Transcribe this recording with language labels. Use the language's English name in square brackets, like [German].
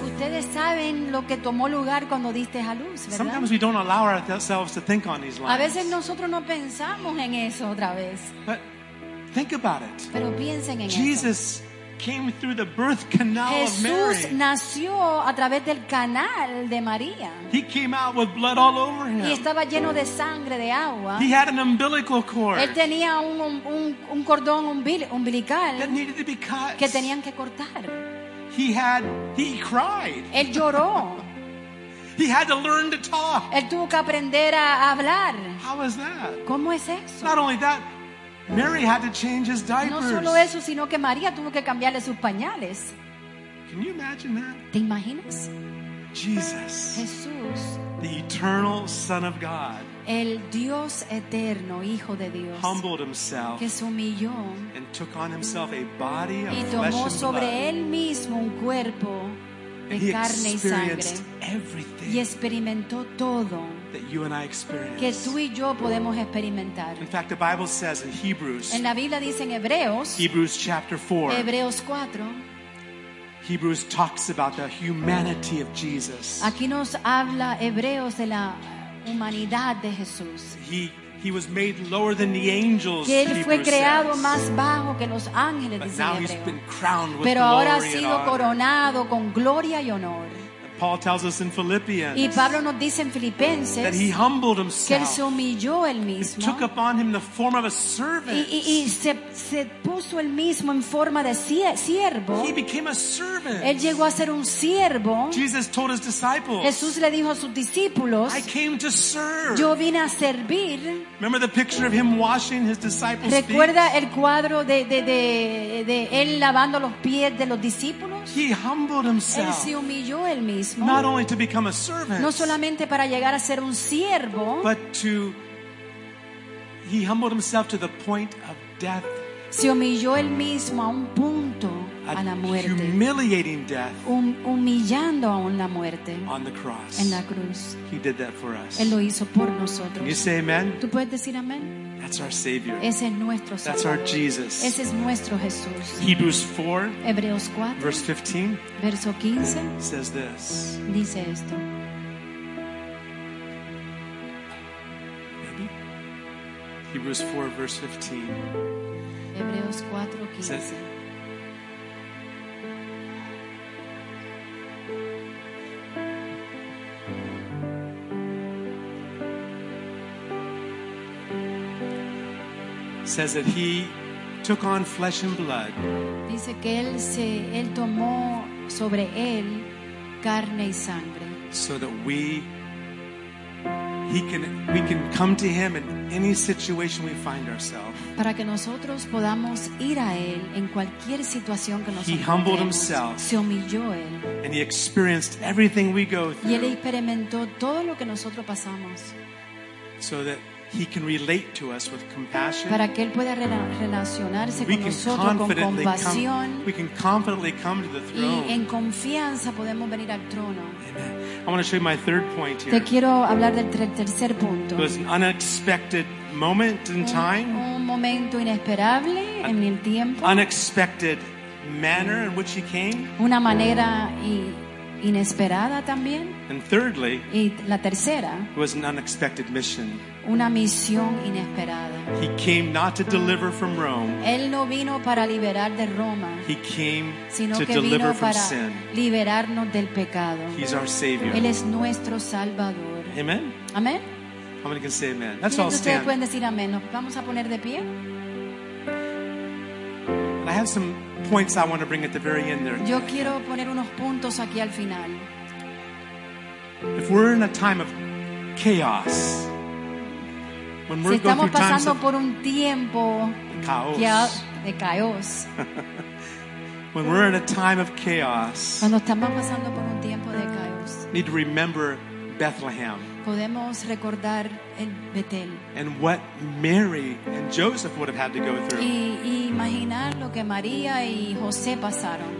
[Spanish] Ustedes saben lo que tomó lugar cuando diste a luz, ¿verdad? [English] Sometimes we don't allow ourselves to think on these lines. [Spanish] A veces nosotros no pensamos en eso otra vez. [English] But think about it. [Spanish] Pero piensen en eso. [English] Jesus came through the birth canal [Spanish] Jesús [English] of Mary. [Spanish] Jesús nació a través del canal de María. [English] He came out with blood all over him. [Spanish] Y estaba lleno de sangre, de agua. [English] He had an umbilical cord. [Spanish] Él tenía un cordón umbilical [English] that needed to be cut. [Spanish] Que tenían que cortar. [English] He cried. [Spanish] Él lloró. [English] He had to learn to talk. [Spanish] Él tuvo que aprender a hablar. [English] How is that? [Spanish] ¿Cómo es eso? [English] Not only that, Mary had to change his diapers. [Spanish] No solo eso, sino que María tuvo que cambiarle sus pañales. [English] Can you imagine that? [Spanish] ¿Te imaginas? [English] Jesus. [Spanish] Jesús. [English] The eternal Son of God. [Spanish] El Dios eterno, Hijo de Dios. [English] Humbled himself. [Spanish] Que se humilló. [English] And took on himself a body of flesh and [Spanish] blood. Y tomó sobre él mismo un cuerpo de carne y sangre. [English] And he experienced everything. [Spanish] Y experimentó todo. [English] That you and I experience. [Spanish] Que tú y yo podemos experimentar. [English] In fact, the Bible says in Hebrews. [Spanish] En la Biblia dice en Hebreos. [English] Hebrews chapter 4. [Spanish] Hebreos 4. [English] Hebrews talks about the humanity of Jesus. [Spanish] Aquí nos habla Hebreos de la humanidad de Jesús. [English] He was made lower than the angels. [Spanish] Que él fue [English] Hebrews [Spanish] creado [English] says. [Spanish] Más bajo que los ángeles. [English] But [Spanish] dice [English] now [Spanish] Hebreo. [English] He's been crowned with [Spanish] Pero [English] glory [Spanish] ahora ha sido [English] and honor. [Spanish] Coronado con gloria y honor. [English] Paul tells us in Philippians [Spanish] y Pablo nos dice en Filipenses [English] that he humbled himself [Spanish] que él se humilló él mismo [English] took upon him the form of a servant [Spanish] y se, se puso él mismo en forma de siervo. [English] He became a servant. [Spanish] Él llegó a ser un siervo. [English] Jesus told his disciples, [Spanish] Jesús le dijo a sus discípulos, [English] I came to serve. [Spanish] Yo vine a servir. [English] Remember the picture of him washing his disciples' feet? [Spanish] ¿Recuerda el cuadro de él lavando los pies de los discípulos? [English] He humbled himself. [Spanish] Él se humilló él mismo. [English] Not only to become a servant, [Spanish] no solamente para llegar a ser un siervo, [English] but to he humbled himself to the point of death. [Spanish] Se humilló él mismo a un punto a la muerte. [English] Humiliating death. [Spanish] Humillando aún la muerte. [English] On the cross. [Spanish] En la cruz. [English] He did that for us. [Spanish] Él lo hizo por nosotros. [English] Can you say amen? [Spanish] ¿Tú puedes decir amén? [English] That's our Savior. [Spanish] Ese es nuestro Salvador. [English] That's our Jesus. [Spanish] Ese es nuestro Jesús. [English] Hebrews 4. [Spanish] Hebreos 4. [English] Verse 15. [Spanish] Verso 15. [English] Says this. [Spanish] Dice esto. [English] Hebrews 4, verse 15. [Spanish] Hebreos 4, 15. Says, [English] says that he took on flesh and blood. [Spanish] Dice que él tomó sobre él carne y sangre. [English] So that we can come to him in any situation we find ourselves. [Spanish] Para que nosotros podamos ir a él en cualquier situación que nosotros. [English] He humbled himself. [Spanish] Se humilló él. [English] And he experienced everything we go through. [Spanish] Y él experimentó todo lo que nosotros pasamos. [English] So that he can relate to us with compassion. [Spanish] Para que él pueda relacionarse [English] we [Spanish] con nosotros con compasión. [English] We can confidently come to the throne. [Spanish] Y en confianza podemos venir al trono. [English] Amen. I want to show you my third point here. [Spanish] Te quiero hablar del tercer punto. [English] It was an unexpected moment in time. [Spanish] Un momento inesperable en el tiempo. [English] Unexpected manner in which he came. [Spanish] Una manera inesperada también. [English] And thirdly, [Spanish] y la tercera, [English] was an unexpected mission. [Spanish] Una misión inesperada. [English] He came not to deliver from Rome. [Spanish] Él no vino para liberar de Roma. [English] He came [Spanish] sino [English] to [Spanish] que [English] deliver [Spanish] vino para [English] from sin. [Spanish] Liberarnos del pecado. [English] He's our Savior. [Spanish] Él es nuestro Salvador. [English] Amen. [Spanish] Amen. [English] How many can say amen? Let's all stand. [Spanish] Pueden decir amén. Nos vamos a poner de pie. [English] And I have some points I want to bring at the very end there. [Spanish] Yo quiero poner unos puntos aquí al final. [English] If we're in a time of chaos. When we're [Spanish] si estamos [English] going [Spanish] pasando por un tiempo de caos. [English] When we're in a time of chaos. [Spanish] Cuando estamos pasando por un tiempo de caos. [English] Need to remember Bethlehem. [Spanish] Podemos recordar el Betel. [English] And what Mary and Joseph would have had to go through. [Spanish] Y imaginar lo que María y José pasaron.